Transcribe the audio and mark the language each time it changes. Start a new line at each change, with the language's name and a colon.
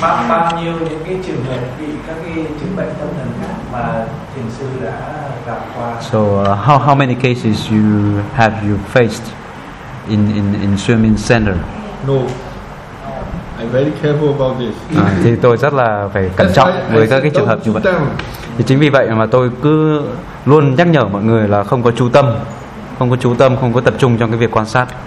Vietnamese: Bao nhiêu những cái trường hợp bị các cái chứng bệnh tâm thần khác mà thiền sư đã gặp qua.
English: So how many cases have you faced in swimming center? No. I'm very careful about this.
Vietnamese: Thì tôi rất là phải cẩn trọng với các cái trường hợp như vậy. Thì chính vì vậy mà tôi cứ luôn nhắc nhở mọi người là không có chú tâm, không có chú tâm, không có tập trung trong cái việc quan sát.